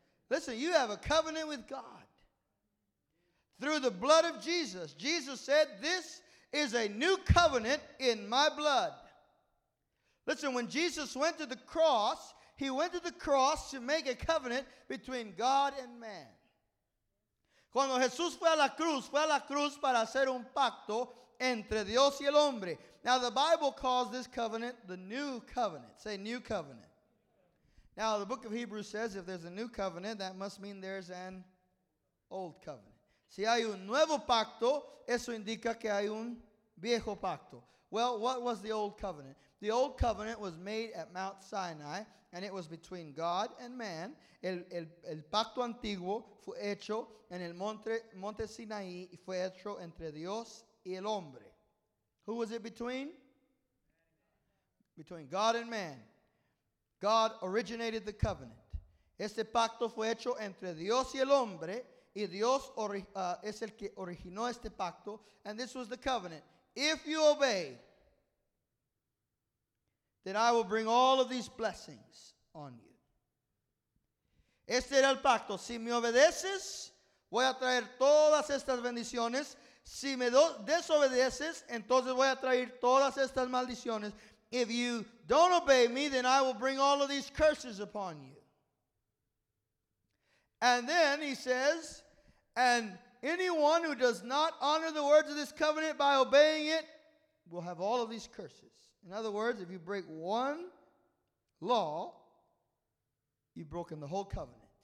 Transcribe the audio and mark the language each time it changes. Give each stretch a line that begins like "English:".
English: Listen, you have a covenant with God. Through the blood of Jesus. Jesus said, this is a new covenant in my blood. Listen, when Jesus went to the cross, he went to the cross to make a covenant between God and man.
Spanish: Cuando Jesús fue a la cruz para hacer un pacto entre Dios y el hombre.
English: Now the Bible calls this covenant the new covenant. Say new covenant. Now the book of Hebrews says if there's a new covenant, that must mean there's an old covenant.
Spanish: Si hay un nuevo pacto, eso indica que hay un viejo pacto.
English: Well, what was the old covenant? The old covenant was made at Mount Sinai, and it was between God and man.
Spanish: El pacto antiguo fue hecho en el monte Sinaí y fue hecho entre Dios y el hombre.
English: Who was it between? Between God and man. God originated the covenant.
Spanish: Este pacto fue hecho entre Dios y el hombre, y Dios es el que originó este pacto,
English: and this was the covenant. If you obey, then I will bring all of these blessings on you.
Spanish: Este era el pacto. Si me obedeces, voy a traer todas estas bendiciones. Si me desobedeces, entonces voy a traer todas estas maldiciones.
English: If you don't obey me, then I will bring all of these curses upon you. And then he says, and anyone who does not honor the words of this covenant by obeying it will have all of these curses. In other words, if you break one law, you've broken the whole covenant.